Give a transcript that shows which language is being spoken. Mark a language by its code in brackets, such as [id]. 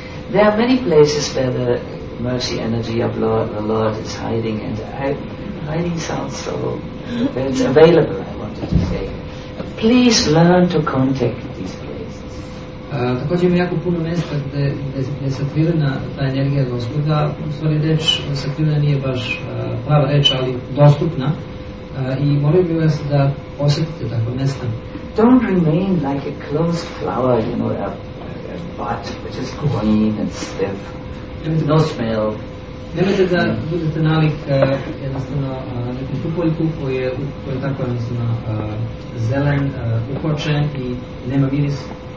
[en] There are many places where the mercy energy of the Lord is hiding, and hiding sounds so, but it's available, I wanted to say. Please learn to contact these places. [sr] Također ima jako puno mesta gde je sakrivena ta energija Gospoda. U stvari reč sakrivena nije baš prava reč, ali dostupna. I molim bih vas da osjetite takvo mesto. [en] Don't remain like a closed flower, you know, a bud which is green and stiff. [sr] Nemate [en] no smell. [sr] Nemate da budete nalik jednostavno nekom tupoljku koji je tako jednostavno zelen, ukočen i nema miris.